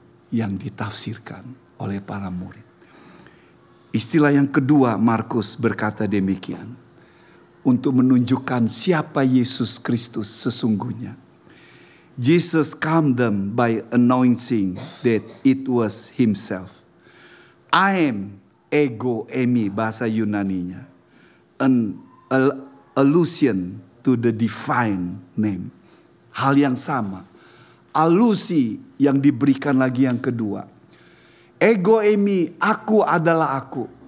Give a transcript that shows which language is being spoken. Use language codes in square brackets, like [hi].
[id] Yang ditafsirkan oleh para murid. Istilah yang kedua Markus berkata demikian. Untuk menunjukkan siapa Yesus Kristus sesungguhnya. [en] Jesus calmed them by announcing that it was himself. I am [id] ego emi bahasa Yunaninya. [en] An allusion to the divine name. [id] Hal yang sama. Alusi yang diberikan lagi yang kedua. Ego emi, aku adalah aku.